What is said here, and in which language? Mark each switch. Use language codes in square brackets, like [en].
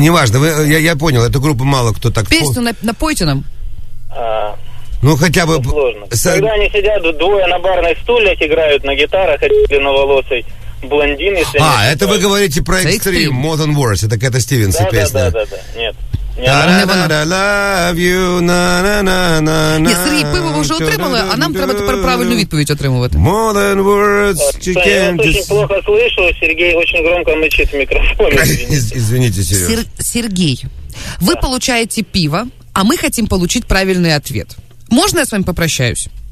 [ru] Неважно, я понял, эту группу мало кто так... Песню напойте нам. Ну, хотя бы... Сложно. Когда они сидят двое на барных стульях, играют на гитарах, один длинноволосый блондин, если... А, это вы говорите про Extreme, Modern Wars, это какая-то Стивенса песня. Да, нет. [en] I love you, на-на-на-на... [uk] Нет, Сергій, пиво вы уже отримали, а нам треба тепер правильну відповідь отримувати. [ru] Modern Wars, [en] you can't... [ru] Я вас очень плохо слышу, Сергей очень громко мычит в микрофоне. Извините, Сергей. Сергей, вы получаете пиво, а мы хотим получить правильный ответ. Можно я с вами попрощаюсь?